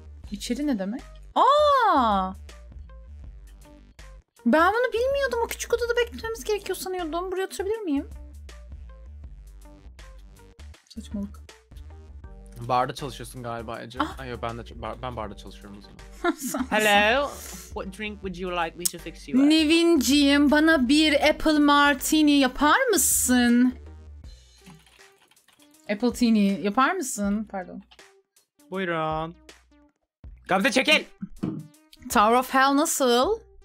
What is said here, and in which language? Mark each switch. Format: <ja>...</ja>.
<tr>İçeri ne demek? Aa! Ben bunu bilmiyordum, o küçük odada beklememiz gerekiyor sanıyordum. Buraya oturabilir miyim? Saçmalık. Barda çalışıyorsun galiba Ece. Ay yok, ben barda çalışıyorum o zaman.</tr> <en>Hello, what drink would you like me to fix you up?</en> <tr>Nevinciğim, bana bir apple martini yapar mısın? Apple tini yapar mısın? Pardon. Buyurun. Gamze çekil! Tower of Hell nasıl?</tr>